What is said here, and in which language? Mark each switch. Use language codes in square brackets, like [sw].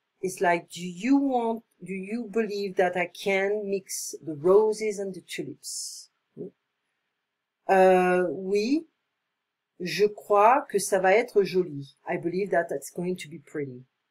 [en] It's like, do you believe that I can mix the roses and the tulips? [fr] Oui, je crois que ça va être joli. [en] I believe that that's going to be pretty.